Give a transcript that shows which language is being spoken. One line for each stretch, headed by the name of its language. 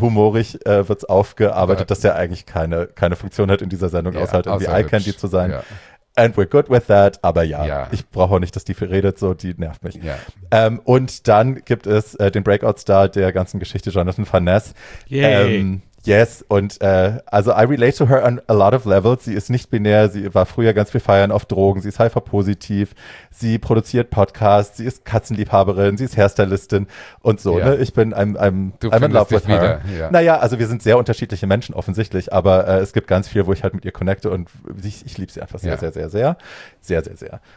German: Humorisch wird es aufgearbeitet, dass der eigentlich keine Funktion hat in dieser Sendung, außer halt irgendwie Eye Candy zu sein. Ja.
English: And we're good with that,
German: aber ja, ich brauche auch nicht, dass die viel redet, so, die nervt mich. Ja. Und dann gibt es den Breakout-Star der ganzen Geschichte, Jonathan Van Ness.
English: Yes,
German: und also
English: I relate to her on a lot of levels.
German: Sie ist nicht binär, sie war früher ganz viel feiern auf Drogen, sie ist HIV-positiv, sie produziert Podcasts, sie ist Katzenliebhaberin, sie ist Hairstylistin und so. Ja. Ne? Ich bin
English: I'm in love with her.
German: Ja. Naja, also wir sind sehr unterschiedliche Menschen offensichtlich, aber es gibt ganz viel, wo ich halt mit ihr connecte und ich liebe sie einfach sehr, sehr, sehr, sehr, sehr, sehr, sehr.